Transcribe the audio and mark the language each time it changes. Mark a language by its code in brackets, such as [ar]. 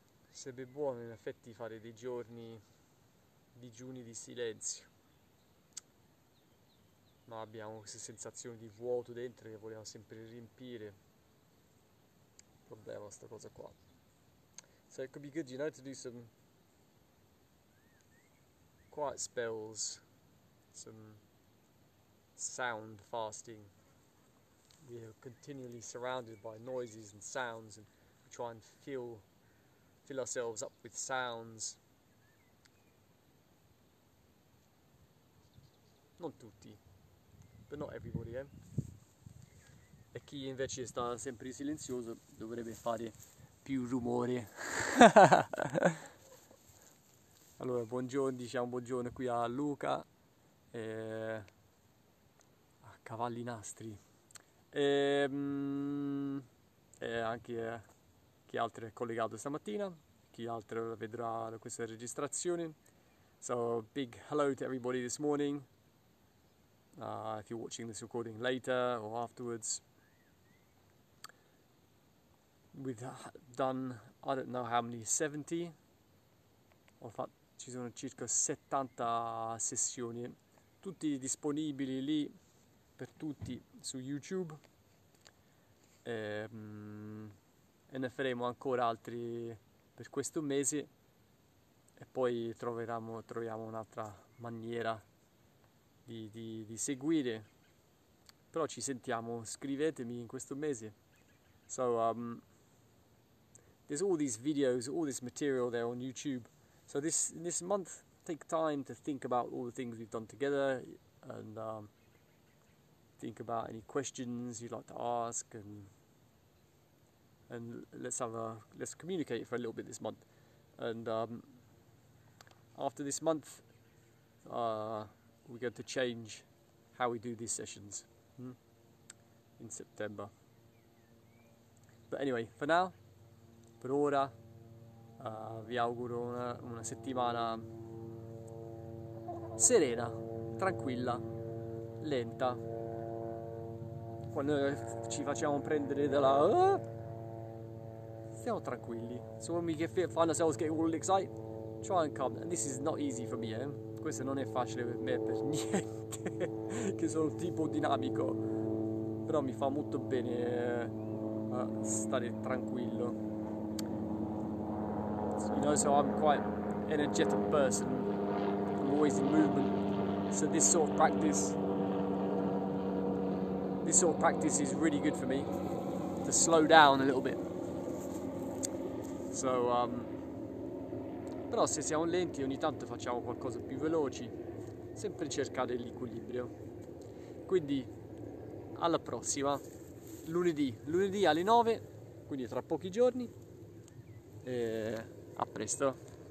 [it] Sarebbe buono in effetti fare dei giorni digiuni di silenzio, ma abbiamo questa sensazione di vuoto dentro che vogliamo sempre riempire. Problema sta cosa qua. [en] So it could be good, you know, to do some quiet spells, some sound fasting. We are continually surrounded by noises and sounds, and we try and fill ourselves up with sounds. [it] Non tutti, [en] but not everybody, eh? [it] E chi invece sta sempre silenzioso dovrebbe fare più rumore. Allora, buongiorno, diciamo buongiorno qui a Luca, a Cavalli Nastri. E anche chi altro è collegato stamattina, chi altro vedrà questa registrazione. [en] So, big hello to everybody this morning. If you're watching this recording later or afterwards, we've done, I don't know how many, 70. [it] Ho fatto, ci sono circa 70 sessioni, tutti disponibili lì per tutti su YouTube. E ne faremo ancora altri per questo mese e poi troviamo un'altra maniera di seguire. Però ci sentiamo, scrivetemi in questo mese. [en] So, there's all these videos, all this material there on YouTube. So this month, take time to think about all the things we've done together and think about any questions you'd like to ask, and let's communicate for a little bit this month. And after this month, we're going to change how we do these sessions in September. But anyway, for now, [it] per ora, vi auguro una settimana serena, tranquilla, lenta. Quando ci facciamo prendere dalla stiamo tranquilli. [en] So when we find ourselves getting all excited, try and calm. And this is not easy for me, eh? [it] Questo non è facile per me per niente, che sono tipo dinamico. Però mi fa molto bene stare tranquillo. [en] You know, so I'm quite energetic person. I'm always in movement. So this sort of practice is really good for me to slow down a little bit. [it] So, però se siamo lenti ogni tanto facciamo qualcosa più veloci, sempre cercare l'equilibrio. Quindi alla prossima, lunedì alle 9, quindi tra pochi giorni, e a presto.